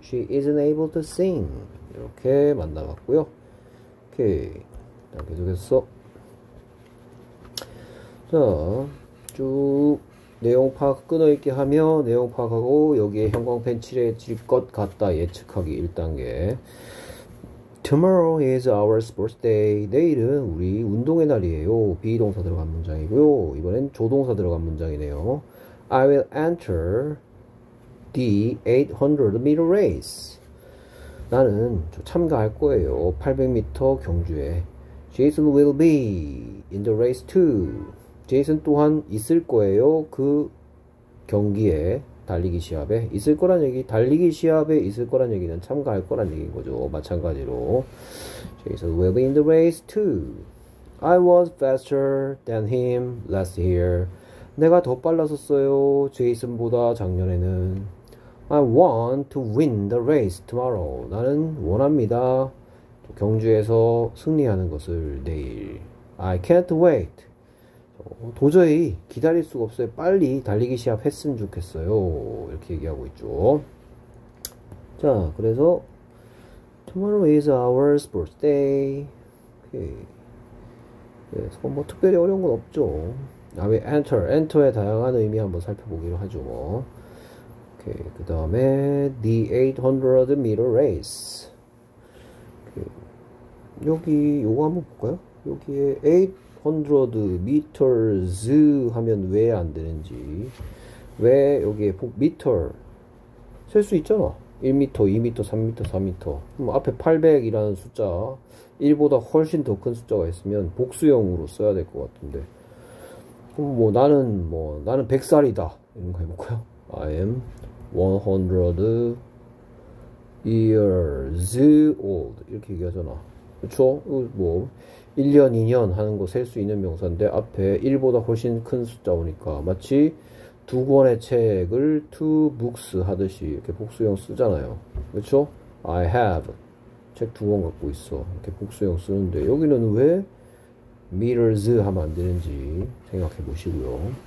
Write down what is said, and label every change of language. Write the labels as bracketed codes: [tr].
[en] She isn't able to sing. [ko] 이렇게 만나봤고요. 오케이. 계속해서 자, 쭉 내용 파악 끊어있게 하며 내용 파악하고 여기에 형광펜 칠해질 것 같다 예측하기 1단계. [en] Tomorrow is our sports day. [ko] 내일은 우리 운동의 날이에요. 비동사 들어간 문장이고요. 이번엔 조동사 들어간 문장이네요. [en] I will enter the 800m race. [ko] 나는 참가할 거예요. 800m 경주에. [en] Jason will be in the race too. [ko] Jason 또한 있을 거예요. 그 경기에. 달리기 시합에 있을 거란 얘기, 달리기 시합에 있을 거란 얘기는 참가할 거란 얘기인 거죠. 마찬가지로 [en] Jason will be in the race too. I was faster than him last year. [ko] 내가 더 빨랐었어요. Jason보다 작년에는. [en] I want to win the race tomorrow. [ko] 나는 원합니다. 경주에서 승리하는 것을 내일. [en] I can't wait. [ko] 도저히 기다릴 수가 없어요. 빨리 달리기 시합 했으면 좋겠어요. 이렇게 얘기하고 있죠. 자, 그래서 [en] Tomorrow is our sports day. [ko] 오케이. 네, 뭐 특별히 어려운 건 없죠. 아, 왜 엔터의 다양한 의미 한번 살펴보기로 하죠. 뭐. 오케이. 그 다음에 [en] The 800m race. [ko] 여기 요거 한번 볼까요? 여기에 8 100m 하면 왜안 되는지. 왜 여기에 미터 셀수 있잖아. 1m, 2m, 3m, 4m. 그럼 앞에 800이라는 숫자 1보다 훨씬 더큰 숫자가 있으면 복수형으로 써야 될것 같은데. 그럼 뭐 나는 100살이다 이런 거 해볼까요? [en] I am 100 years old [ko] 이렇게 얘기하잖아. 그쵸? 뭐 1년, 2년 하는 거셀수 있는 명사인데 앞에 1보다 훨씬 큰 숫자 오니까 마치 두 권의 책을 [en] two books [ko] 하듯이 이렇게 복수형 쓰잖아요. 그쵸? [en] I have [ko] 책두권 갖고 있어. 이렇게 복수형 쓰는데 여기는 왜 meters 하면 안 되는지 생각해 보시고요.